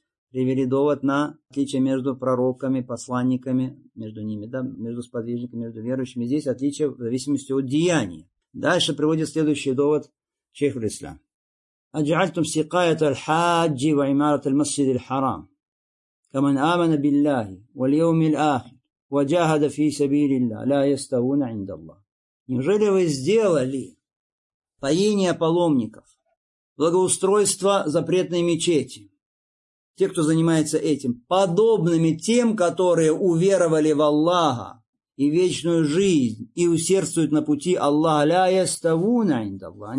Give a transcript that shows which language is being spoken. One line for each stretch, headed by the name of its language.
Russian: Привели довод на отличие между пророками, посланниками, между ними, да, между сподвижниками, между верующими. Здесь отличие в зависимости от деяний. Дальше приводит следующий довод шейху Ислам.
Arabic: «Аджаальтум сикаят аль-хаджи ва имарат аль-масджид аль-харам». كمن آمن بالله واليوم الآخر وجاهد في سبيل الله لا يستوون عند الله.
Russian: Неужели вы сделали поение паломников, благоустройство запретной мечети, те, кто занимается этим, подобными тем, которые уверовали в Аллаха и вечную жизнь и усердствуют на пути Аллаха,
Arabic: لا يستوون عند الله.